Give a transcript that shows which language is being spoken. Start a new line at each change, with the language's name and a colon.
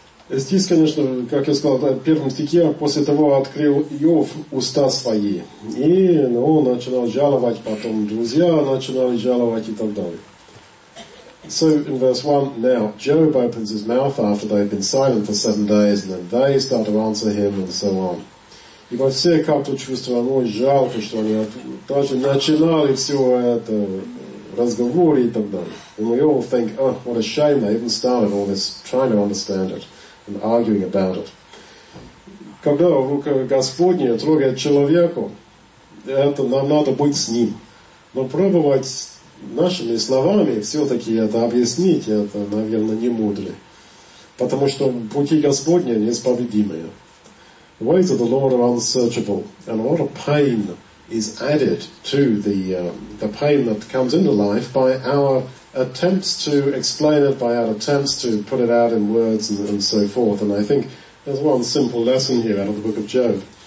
Russian: Здесь, конечно, как я сказал, в первом стихе, после того открыл Иов уста свои. И он начинал жаловать, потом друзья начинали жаловать и так далее.
English: So in verse 1, now Job opens his mouth after they've been silent for 7 days, and then they start to answer him and so on.
Russian: И во все как-то чувствовал, ой, жалко, что они даже начинали все это разговоры и так далее.
English: And we all think, oh, what a shame they even started all this, trying to understand it. And arguing about it.
Russian: Когда рука Господня трогает человеку, это нам надо быть с ним. Но пробовать нашими словами все-таки это объяснить, это, наверное, не мудро. Потому что пути Господня неисповедимые.
English: The ways of the Lord are unsearchable. And a lot of pain is added to the pain that comes into life by our attempts to explain it, by our attempts to put it out in words and so forth. And I think there's one simple lesson here out of the book of Job.